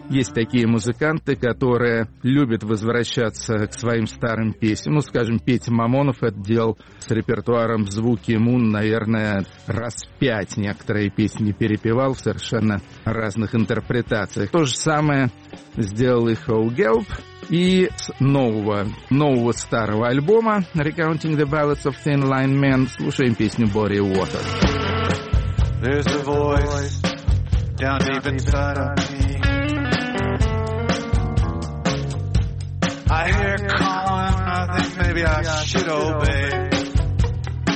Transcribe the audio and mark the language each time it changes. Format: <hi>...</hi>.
<ru>Есть такие музыканты, которые любят возвращаться к своим старым песням. Ну, скажем, Петя Мамонов это делал с репертуаром «Звуки Мун», наверное, раз пять некоторые песни перепевал в совершенно разных интерпретациях. То же самое сделал и Хоу Гелп. И с нового старого альбома «Recounting the Ballads of Thin Line Men» слушаем песню «Body Water».</ru> <en>There's a voice down deep inside of me. I hear calling, I think maybe I should obey.</en>